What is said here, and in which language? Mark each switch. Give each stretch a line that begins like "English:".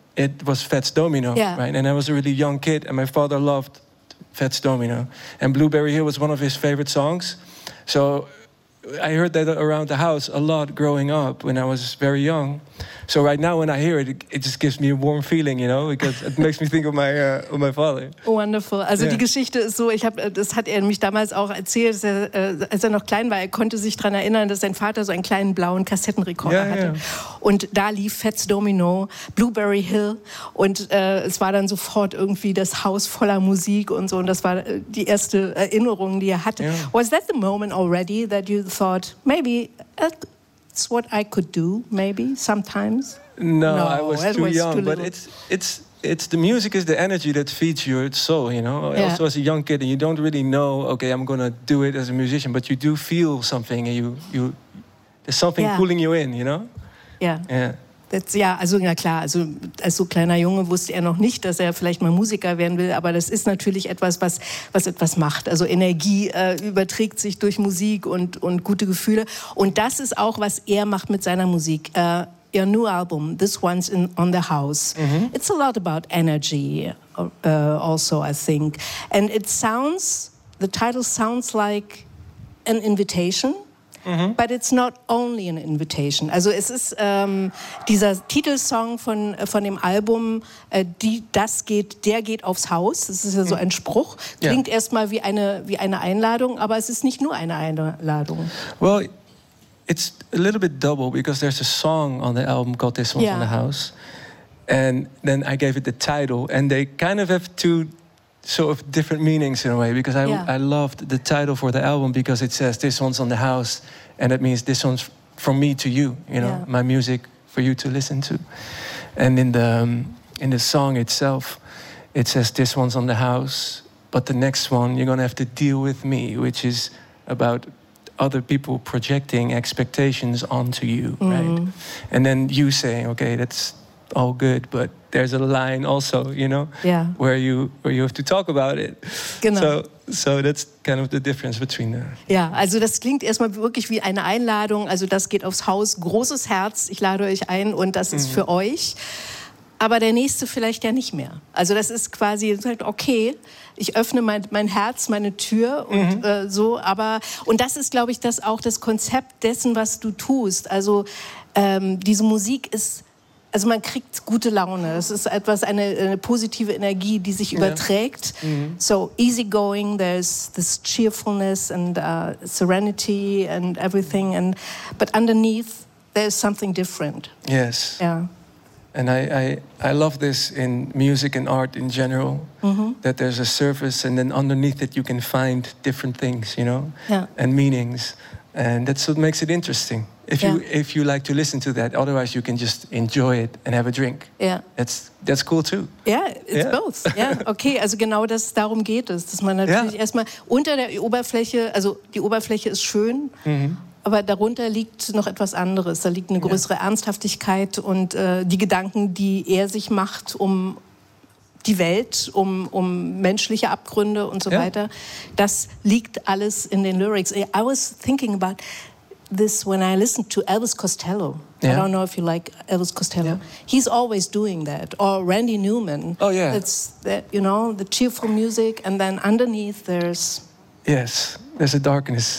English: It was Fats Domino, right? And I was a really young kid, and my father loved Fats Domino, and Blueberry Hill was one of his favorite songs. So I heard that around the house a lot growing up when I was very young. So right now when I hear it, it just gives me a warm feeling, you know, because it makes me think of my father. Wonderful.
German: Also yeah. Die Geschichte ist so, das hat er mich damals auch erzählt, als er noch klein war, er konnte sich daran erinnern, dass sein Vater so einen kleinen blauen Kassettenrekorder hatte. Yeah. Und da lief Fats Domino, Blueberry Hill und es war dann sofort irgendwie das Haus voller Musik und so und das war die erste Erinnerung, die er hatte.
English: Yeah. Was that the moment already that you thought, maybe... It's what I could do, maybe, sometimes. No, I was too young, too but it's the music is the energy that feeds your soul, you know? Yeah. Also as a young kid, and you don't really know, okay, I'm going to do it as a musician, but you do feel something, and you there's something pulling you in, you know? Yeah. Yeah.
German: Ja, also na klar, also als so kleiner Junge wusste er noch nicht, dass er vielleicht mal Musiker werden will, aber das ist natürlich etwas, was etwas macht. Also Energie überträgt sich durch Musik und gute Gefühle. Und das ist auch, was er macht mit seiner Musik.
English: Ihr new album, This One's on the House, mhm. It's a lot about energy also, I think. And it sounds, the title sounds like an invitation. Mm-hmm. But it's not only an invitation.
German: Also es ist dieser Titelsong von dem Album, der geht aufs Haus. Das ist ja so ein Spruch. Klingt erstmal wie eine Einladung, aber es ist nicht nur eine Einladung.
English: Well, it's a little bit double because there's a song on the album called This One's on the House. And then I gave it the title and they kind of have two sort of different meanings in a way, because I loved the title for the album because it says this one's on the house and it means this one's from me to you, you know, my music for you to listen to. And in the song itself, it says this one's on the house, but the next one you're gonna have to deal with me, which is about other people projecting expectations onto you, right? And then you saying, okay, that's all good, but there's a line also, you know, where you have to talk about it.
German: Genau.
English: So that's kind of the difference between them.
German: Ja, also das klingt erstmal wirklich wie eine Einladung. Also das geht aufs Haus, großes Herz, ich lade euch ein und das ist für euch. Aber der nächste vielleicht ja nicht mehr. Also das ist quasi, okay, ich öffne mein Herz, meine Tür und so. Aber und das ist, glaube ich, das auch das Konzept dessen, was du tust. Also diese Musik ist, also man kriegt gute Laune. Es ist etwas, eine positive Energie, die sich überträgt.
English: Yeah. Mm-hmm. So easygoing, there's this cheerfulness and serenity and everything. And but underneath, there's something different. Yes. Yeah. And I love this in music and art in general, that there's a surface and then underneath it you can find different things, you know, and meanings. And that's what makes it interesting. If you like to listen to that, otherwise you can just enjoy it and have a drink. Yeah. That's cool too. Yeah, it's both.
German: Yeah, okay, also genau das, darum geht es, dass man natürlich erstmal unter der Oberfläche, also die Oberfläche ist schön, aber darunter liegt noch etwas anderes. Da liegt eine größere Ernsthaftigkeit und die Gedanken, die er sich macht um die Welt, um menschliche Abgründe und so weiter. Das liegt alles in den Lyrics.
English: I was thinking about this when I listened to Elvis Costello. I don't know if you like Elvis Costello. Yeah. He's always doing that. Or Randy Newman. Oh, yeah. It's that, you know, the cheerful music, and then underneath there's... Yes, there's a darkness.